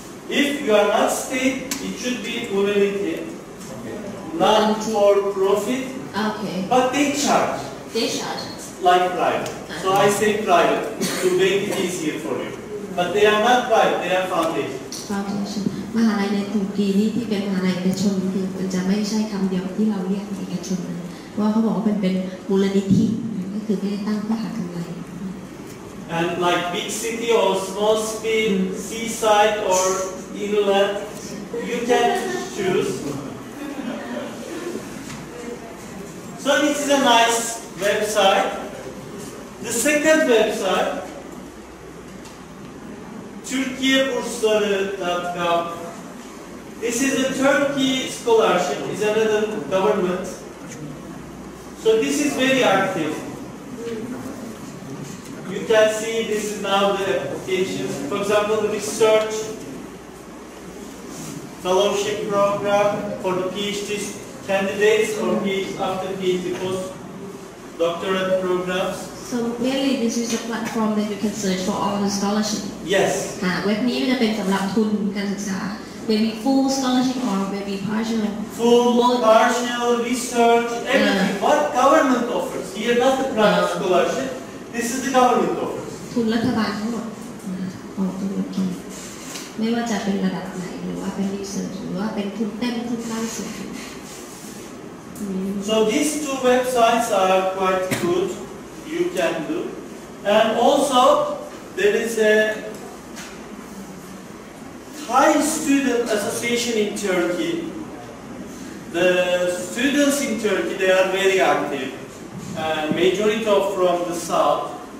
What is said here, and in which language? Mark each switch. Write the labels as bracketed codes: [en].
[en] If you are not state, it should be community, not for profit, but they charge. They charge. Like private. So I say private to make it easier for you. But they are not private, they are foundation. Foundation. [th] มหาลัยในตุรกีนี่ที่เป็นมหาลัยเอกชนจริงๆมันจะไม่ใช่คำเดียวที่เราเรียกเอกชนนะเพราะเขาบอกว่ามันเป็นมูลนิธิคือไม่ได้ตั้งเพื่อหากำไร [en] and like big city or small city seaside or inland you can choose so this is a nice website the second website turkiyebursları.gov this is a Turkey scholarship is another government so this is very active You can see this is now the applications. For example, the research fellowship program for the PhD candidates or after PhD postdoctorate programs. So really, this is a platform that you can search for all the scholarship. Yes. [th] Web นี้จะเป็นสำหรับทุนการศึกษา [en] maybe full scholarship or maybe partial. Full, partial, research, everything. Yeah. What government offers? Here, not the private scholarship. This is the government offers. [th] ทุนรัฐบาลทั้งหมดของตุรกีไม่ว่าจะเป็นระดับไหนหรือว่าเป็น research หรือว่าเป็นทุนเต็มทุนล่าสุด [en] So these two websites are quite good, you can do. And also, there is a Thai Student Association in Turkey. The students in Turkey, they are very active, and majority of from the south.